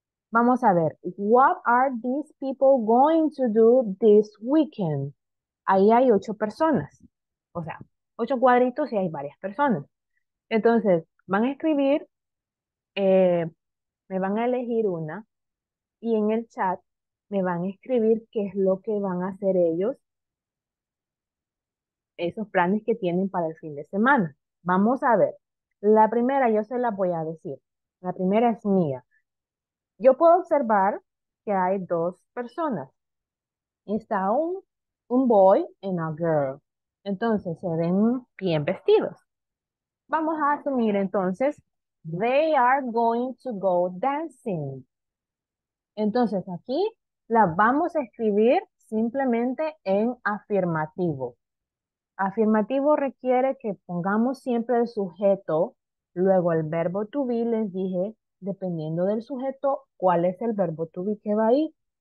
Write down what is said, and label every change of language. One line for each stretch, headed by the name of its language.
Spanish: Vamos a ver,
English: what are these people going to do this weekend?
Spanish: Ahí hay ocho personas. O sea, ocho cuadritos y hay varias personas. Entonces, van a escribir, me van a elegir una y en el chat me van a escribir qué es lo que van a hacer ellos, esos planes que tienen para el fin de semana. Vamos a ver. La primera, yo se la voy a decir. La primera es mía. Yo puedo observar que hay dos personas. Está un
English: boy and a girl.
Spanish: Entonces, se ven bien vestidos. Vamos a asumir entonces,
English: they are going to go dancing.
Spanish: Entonces, aquí la vamos a escribir simplemente en afirmativo. Afirmativo requiere que pongamos siempre el sujeto, luego el verbo to be, les dije, dependiendo del sujeto, cuál es el verbo to be que va ahí.